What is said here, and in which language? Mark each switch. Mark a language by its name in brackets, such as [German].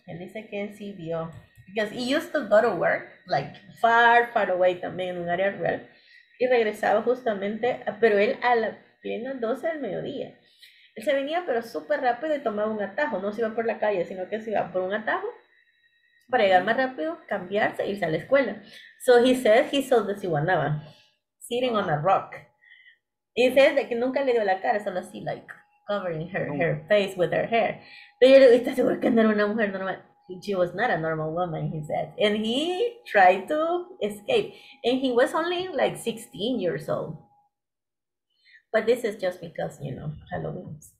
[Spanish] Él dice que sí vio. [English] Because he used to go to work, like far away [Spanish] también, en un área rural. Y regresaba justamente, pero él a la plena 12 del mediodía. Él se venía, pero súper rápido y tomaba un atajo. No se iba por la calle, sino que se iba por un atajo. Para llegar más rápido, cambiarse, irse a la escuela. [English] So he says he saw the Siwanaba sitting on a rock. He says that [Spanish] que nunca le dio la cara, solo así, [English] like, covering her face with her hair. [Spanish] Pero yo le digo, ¿estás seguro que no era una mujer normal? [English] She was not a normal woman, he said. And he tried to escape. And he was only, like, 16 years old. But this is just because, you know, Halloween.